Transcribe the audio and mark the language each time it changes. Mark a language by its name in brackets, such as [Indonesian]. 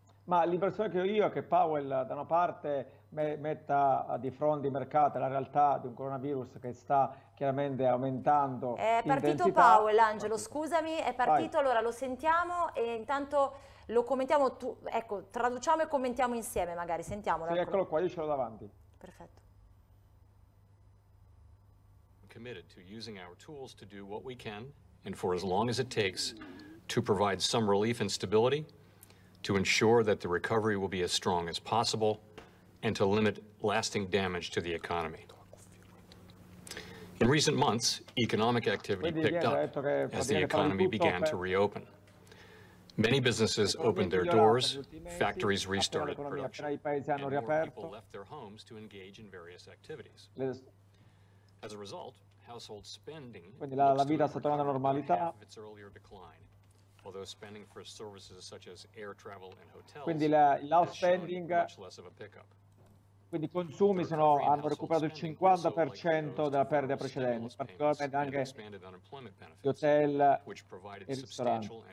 [Italian] Ma l'impressione che ho io è che Powell da una parte metta di fronte i mercati la realtà di un coronavirus che sta chiaramente aumentando. È partito Powell, Angelo, scusami, è partito. Vai. Allora lo sentiamo e intanto lo commentiamo, tu, ecco, traduciamo e commentiamo insieme magari, sentiamo. Sì, eccolo qua, io ce l'ho davanti. Perfetto. [English] Committed to using our tools to do what we can and for as long as it takes to provide some relief and stability, to ensure that the recovery will be as strong as possible and to limit lasting damage to the economy. In recent months, economic activity picked up as the economy began to reopen. Many businesses opened their doors, factories restarted production, and more people left their homes to engage in various activities. As a result, household spending looks to have recovered half of its earlier decline. Although spending for services such as air travel and hotels, [Italian] quindi spending, [English] much less of a pickup. [Italian] Quindi i consumi hanno recuperato il 50% della perdita precedente, particolarmente anche gli hotel e i ristoranti.